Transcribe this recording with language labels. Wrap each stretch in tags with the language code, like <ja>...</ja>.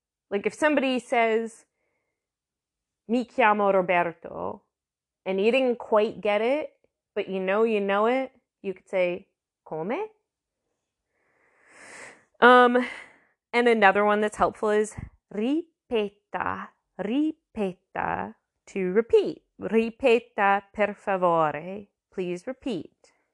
<en>Like if somebody says,</en> <it>mi chiamo Roberto.</it> <en>And you didn't quite get it, but you know it. You could say, come? And another one that's helpful is</en> <it>Ripeta, ripeta,</it> <en>to repeat.</en> <it>Ripeta, per favore,</it> <en>please repeat.</en>